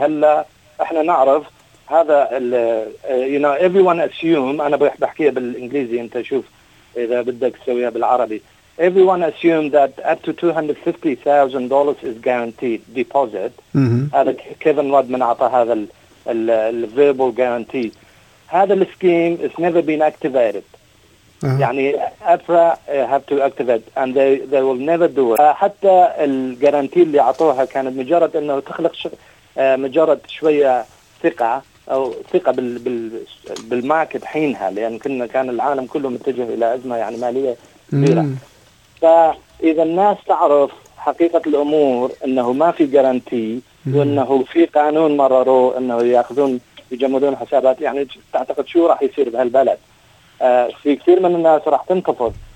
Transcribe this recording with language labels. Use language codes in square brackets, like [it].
[ar] هلا احنا نعرف هذا [en] you know everyone assume [ar] انا بحكيها بالانجليزي انت شوف اذا بدك تسويها بالعربي [en] everyone assumed that up to $250,000 is guaranteed deposit. [ar] هذا كيفن رود من أعطى هذا ال [en] verbal guarantee. [ar] هذا ال [en] scheme has never been activated. يعني APRA have to activate and they will never do it. [ar] حتى ال guarantee اللي أعطوها كانت مجرد إنه تخلق مجرد شوية ثقة أو ثقة بالماركت حينها، لأن كنا كان العالم كله متجه إلى أزمة يعني مالية كبيرة. فإذا الناس تعرف حقيقة الأمور أنه ما في جارنتي وأنه في قانون مرروا أنه يأخذون يجمدون حسابات، يعني تعتقد شو راح يصير بهالبلد؟ في كثير من الناس راح تنقفض.